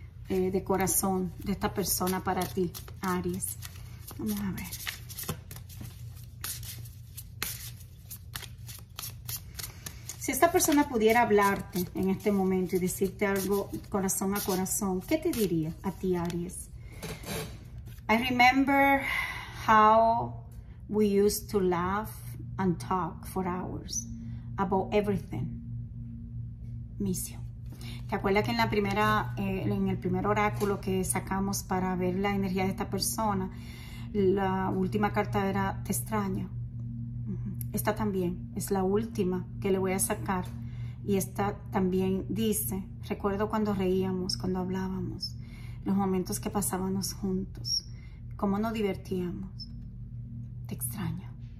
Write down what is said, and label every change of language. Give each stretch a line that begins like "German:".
Spanish: De corazón de esta persona para ti, Aries. Vamos a ver. Si esta persona pudiera hablarte en este momento y decirte algo corazón a corazón, ¿qué te diría a ti, Aries?
English: I remember how we used to laugh and talk for hours about everything. Miss you.
Spanish: ¿Te acuerdas que en el primer oráculo que sacamos para ver la energía de esta persona, la última carta era Te extraño? Esta también es la última que le voy a sacar. Y esta también dice, recuerdo cuando reíamos, cuando hablábamos, los momentos que pasábamos juntos, cómo nos divertíamos. Te extraño.